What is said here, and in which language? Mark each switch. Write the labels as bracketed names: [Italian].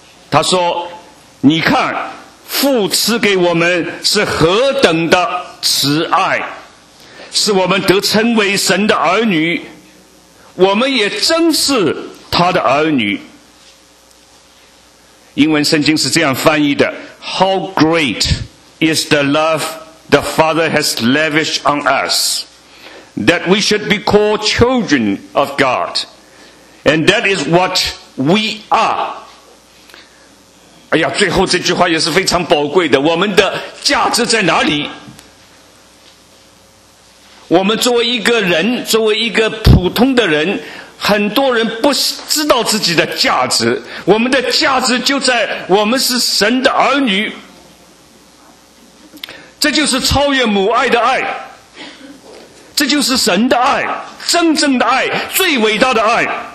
[Chinese] 他说，你看父赐给我们是何等的慈爱，使我们得称为神的儿女，我们也真是他的儿女。英文圣经是这样翻译的， [English] How great is the love the Father has lavished on us, that we should be called children of God, and that is what we are。 [Chinese] 哎呀，最后这句话也是非常宝贵的，我们的价值在哪里？我们作为一个人，作为一个普通的人，很多人不知道自己的价值，我们的价值就在我们是神的儿女，这就是超越母爱的爱，这就是神的爱，真正的爱，最伟大的爱。